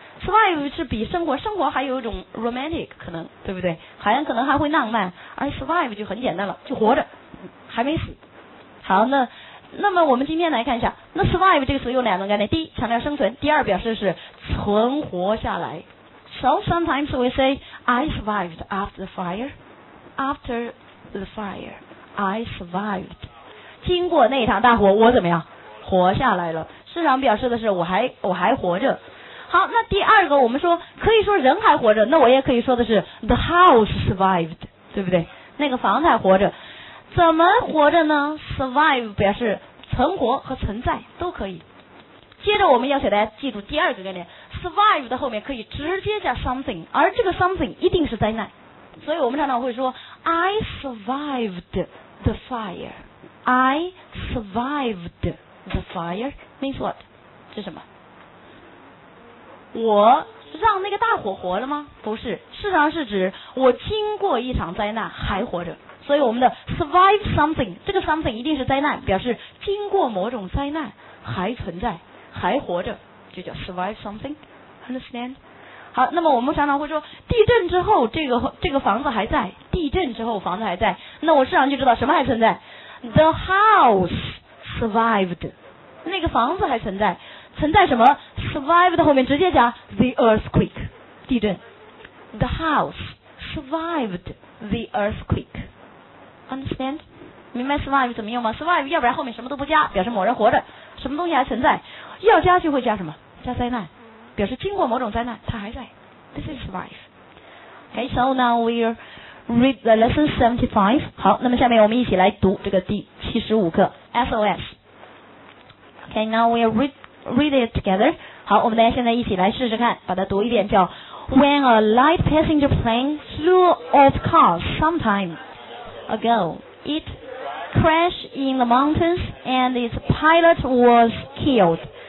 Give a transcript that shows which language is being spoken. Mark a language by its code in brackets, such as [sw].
[zh] Survive 是比生活还有一种 romantic， 可能对不对，好像可能还会浪漫，而 survive 就很简单了，就活着还没死。好，那么我们今天来看一下，那 survive 这个词有两种概念，第一强调生存，第二表示是存活下来。 [en] So sometimes we say I survived [zh] after the fire， after the fire I survived， 经过那场大火我怎么样活下来了，市场表示的是我还活着。好，那第二个我们说可以说人还活着，那我也可以说的是 [en] the house survived， [zh] 对不对，那个房子还活着。怎么活着呢？Survive 表示存活和存在都可以。接着我们要求大家记住第二个概念， Survive 的后面可以直接加 something， 而这个 something 一定是灾难。所以我们常常会说 [en] I survived the fire， I survived the fire means what？ [zh] 是什么？我让那个大火活了吗？不是，事实上是指我经过一场灾难还活着。所以我们的 [en] survive something， [zh] 这个 something 一定是灾难，表示经过某种灾难还存在还活着，就叫 survive something， [en] understand？ [zh] 好，那么我们常常会说地震之后这个房子还在，地震之后房子还在，那我市场就知道什么还存在， [en] the house survived， [zh] 那个房子还存在。存在什么？ [en] survived [zh] 后面直接加 [en] the earthquake， [zh] 地震， [en] the house survived the earthquake。 Understand？ [zh] 明白 survive 怎么用吗？survive 要不然后面什么都不加，表示某人活着，什么东西还存在，要加就会加什么？加灾难，表示经过某种灾难它还在。 [en] This is survive。 Okay, so now we read the lesson 75。 [zh] 好，那么下面我们一起来读这个第75课 SOS。 [en] Okay, now we read it together。 [zh] 好，我们大家现在一起来试试看，把它读一遍，叫 [en] When a light passenger plane flew off course sometimeAgo, it crashed in the mountains and its pilot was killed.